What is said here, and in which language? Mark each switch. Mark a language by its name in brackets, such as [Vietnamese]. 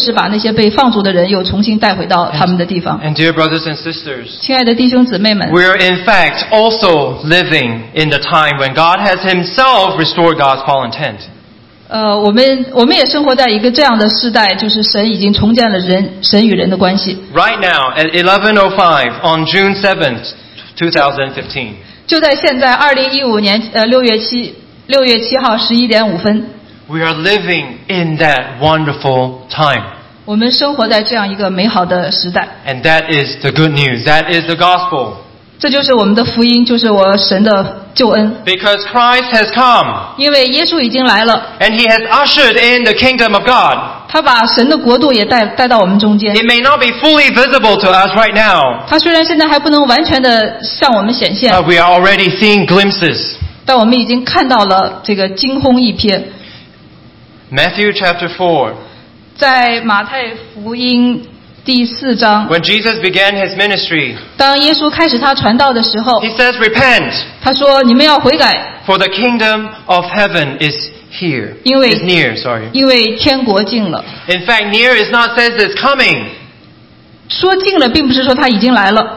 [Chinese] 我们看到神是一个信实的神，他确实把那些被放逐的人又重新带回到他们的地方。 [English] And dear brothers and sisters, [Chinese] 亲爱的弟兄姊妹们, [English] we are in fact also living in the time when God has Himself restored God's full intent. [Chinese] 我们也生活在一个这样的时代，就是神已经重建了人与人的关系。 [English] Right now at 11:05 on June 7th, 2015. [Chinese] 就在现在，2015年6月7号11:05。 [English] We are living in that wonderful time. [Chinese] 我们生活在这样一个美好的时代。 [English] And that is the good news. That is the gospel. [Chinese] 这就是我们的福音，就是我神的救恩。 [English] Because Christ has come. [Chinese] 因为耶稣已经来了。 [English] And he has ushered in the kingdom of God. [Chinese] 他把神的国度也带到我们中间。 [English] It may not be fully visible to us right now. [Chinese] 他虽然现在还不能完全的向我们显现。 [English] But we are already seeing glimpses. [Chinese] 但我们已经看到了这个惊鸿一瞥。 [English] Matthew chapter 4. [Chinese] 在马太福音第四章。 [English] When Jesus began his ministry, [Chinese] 当耶稣开始他传道的时候， [English] he says, repent. [Chinese] 他说你们要悔改。 [English] For the kingdom of heaven is here. It's near, sorry. [Chinese] 因为天国近了。 [English] In fact, near is not says it's coming. [Chinese] 说近了并不是说他已经来了。